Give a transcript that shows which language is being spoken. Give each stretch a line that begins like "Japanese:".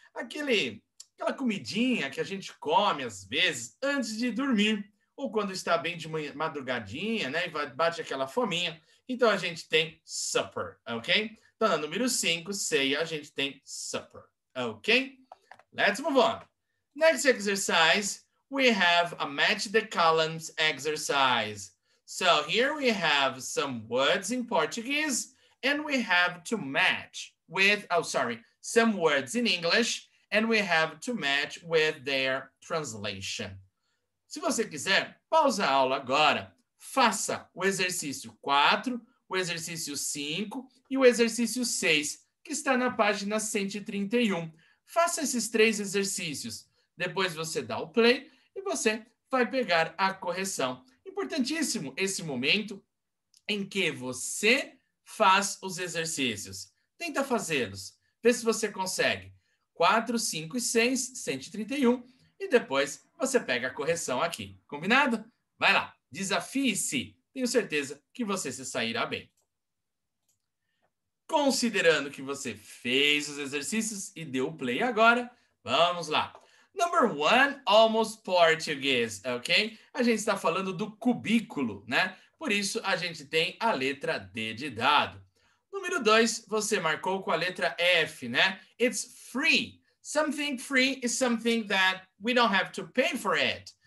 Portuguese: Aquela comidinha que a gente come, às vezes, antes de dormir. Ou quando está bem de manhã, madrugadinha, né? E bate aquela fominha. Então, a gente tem supper, ok? Então, na número 5, say, a gente tem supper, ok?
English: Let's move on. Next exercise, we have a match the columns exercise. So, here we have some words in Portuguese, and we have to match with, oh, sorry, some words in English, and we have to match with their translation.
Portuguese: Se você quiser, pause a aula agora. Faça o exercício 4, o exercício 5 e o exercício 6, que está na página 131. Faça esses três exercícios. Depois você dá o play e você vai pegar a correção. Importantíssimo esse momento em que você faz os exercícios. Tenta fazê-los. Vê se você consegue. 4, 5 e 6, 131. E depois você pega a correção aqui. Combinado? Vai lá. Desafie-se. Tenho certeza que você se sairá bem. Considerando que você fez os exercícios e deu o play agora, vamos lá.
English: Number one, almost Portuguese,
Portuguese: ok? A gente está falando do cubículo, né? Por isso, a gente tem a letra D de dado. Número 2, você marcou com a letra F, né?
English: It's free. Something free is something that we don't have to pay for it.